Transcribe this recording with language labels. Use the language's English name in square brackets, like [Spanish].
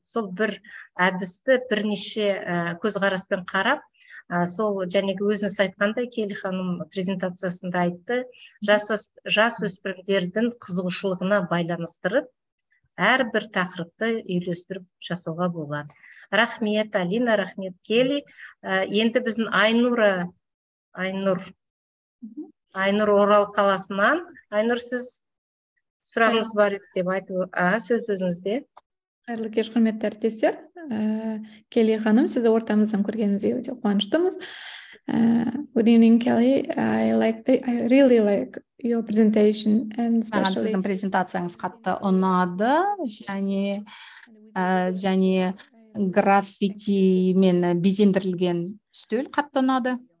[Kazakh] Сол бір әдісті бірнеше көзқараспен қарап, сол және өзіңіз айтқандай Келли ханым презентациясында айтты, жас өспірімдердің қызығушылығына байланыстырып, әр бір тақырыпты үйлестіріп жасауға болады. Рахмет, Алина, рахмет, Келли. Енді біздің Айнура, Айнур Орал қаласынан. Айнур, сіз сұрағыңыз бар деп айтып, сөз өзіңізде. Қайырлы кеш, құрметті әріптестер. Келли ханым, сізді ортамыздан көргенімізге өте қуаныштымыз. [English] Good evening, Kelly. I really like your presentation, and especially the presentation is quite [Kazakh] onada. Жане граффити мен безендірілген стул қатты ұнады.